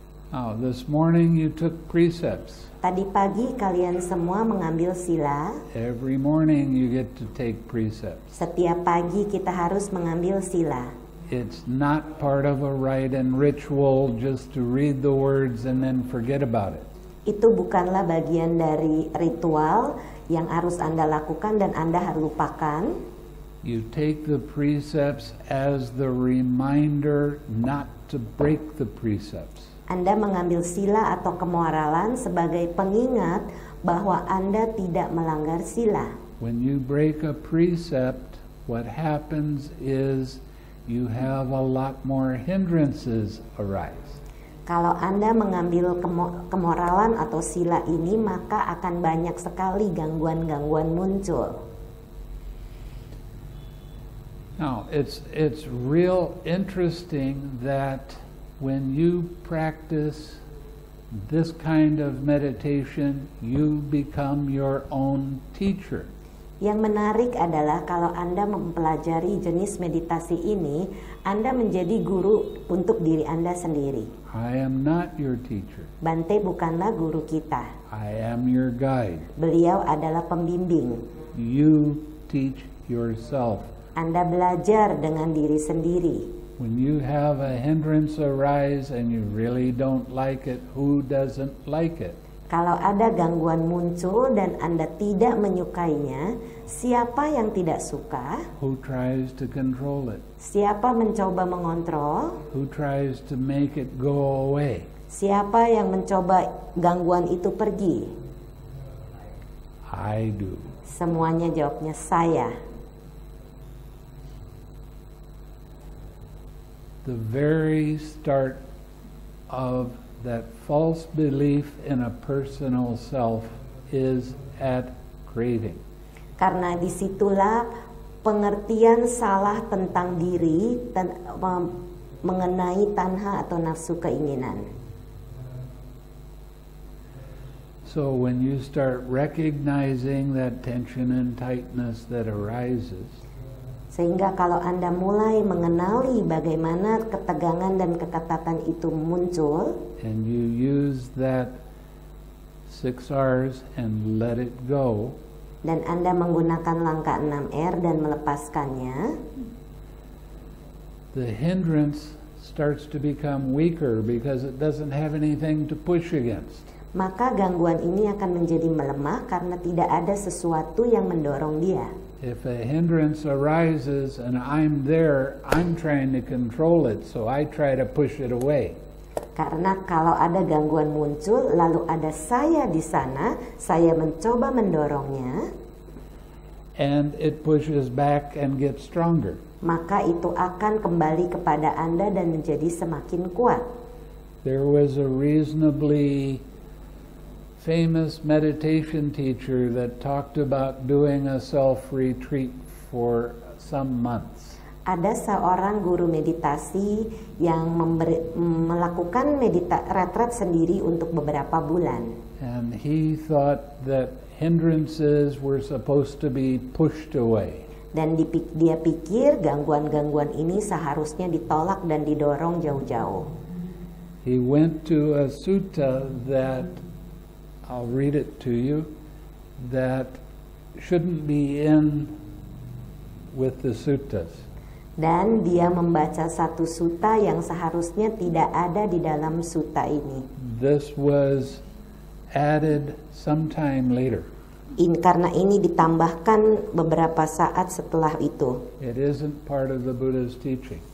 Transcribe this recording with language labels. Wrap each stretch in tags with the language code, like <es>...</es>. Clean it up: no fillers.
<en>Oh, this morning you took precepts.</en> <id>Tadi pagi kalian semua mengambil sila.</id> <en>Every morning you get to take precepts.</en> <id>Setiap pagi kita harus mengambil sila.</id> <en>It's not part of a rite and ritual just to read the words and then forget about it.</en> <id>Itu bukanlah bagian dari ritual yang harus Anda lakukan dan Anda harus lupakan.</id> <en>You take the precepts as the reminder not to break the precepts.</en> <id>Anda mengambil sila atau kemoralan sebagai pengingat bahwa Anda tidak melanggar sila.</id> <en>When you break a precept, what happens is you have a lot more hindrances arise.</en> <id>Kalau Anda mengambil kemoralan atau sila ini, maka akan banyak sekali gangguan-gangguan muncul.</id> <en>Now, it's real interesting that when you practice this kind of meditation, you become your own teacher.</en> <id>Yang menarik adalah kalau Anda mempelajari jenis meditasi ini, Anda menjadi guru untuk diri Anda sendiri.</id> <en>I am not your teacher.</en> <id>Bante bukanlah guru kita.</id> <en>I am your guide.</en> <id>Beliau adalah pembimbing.</id> <en>You teach yourself.</en> <id>Anda belajar dengan diri sendiri.</id> <en>When you have a hindrance arise and you really don't like it, who doesn't like it?</en> <id>Kalau ada gangguan muncul dan Anda tidak menyukainya, siapa yang tidak suka?</id> <en>Who tries to control it?</en> <id>Siapa mencoba mengontrol?</id> <en>Who tries to make it go away?</en> <id>Siapa yang mencoba gangguan itu pergi?</id> <en>I do.</en> <id>Semuanya jawabnya saya.</id> <en>The very start of that false belief in a personal self is at craving.</en> <id>Karena disitulah pengertian salah tentang diri mengenai tanha atau nafsu keinginan.</id> <en>So when you start recognizing that tension and tightness that arises,</en> <id>sehingga kalau Anda mulai mengenali bagaimana ketegangan dan keketatan itu muncul,</id> <en>and you use that 6 R's and let it go,</en> <id>dan Anda menggunakan langkah 6 R dan melepaskannya,</id> <en>the hindrance starts to become weaker because it doesn't have anything to push against.</en> <id>Maka gangguan ini akan menjadi melemah karena tidak ada sesuatu yang mendorong dia.</id> <en>If a hindrance arises and I'm there, I'm trying to control it, so I try to push it away.</en> <id>Karena kalau ada gangguan muncul, lalu ada saya di sana, saya mencoba mendorongnya.</id> <en>And it pushes back and gets stronger.</en> <id>Maka itu akan kembali kepada Anda dan menjadi semakin kuat.</id> <en>There was a reasonably famous meditation teacher that talked about doing a self retreat for some months.</en> <id>Ada seorang guru meditasi yang melakukan retret sendiri untuk beberapa bulan.</id> <en>And he thought that hindrances were supposed to be pushed away.</en> <id>Dan dia pikir gangguan-gangguan ini seharusnya ditolak dan didorong jauh-jauh.</id> <en>He went to a sutta that, I'll read it to you, that shouldn't be in with the suttas.</en> <id>Dan dia membaca satu sutta yang seharusnya tidak ada di dalam sutta ini.</id> <en>This was added sometime later.</en> <id>Karena ini ditambahkan beberapa saat setelah itu.</id> <en>It isn't part of the Buddha's teaching.</en>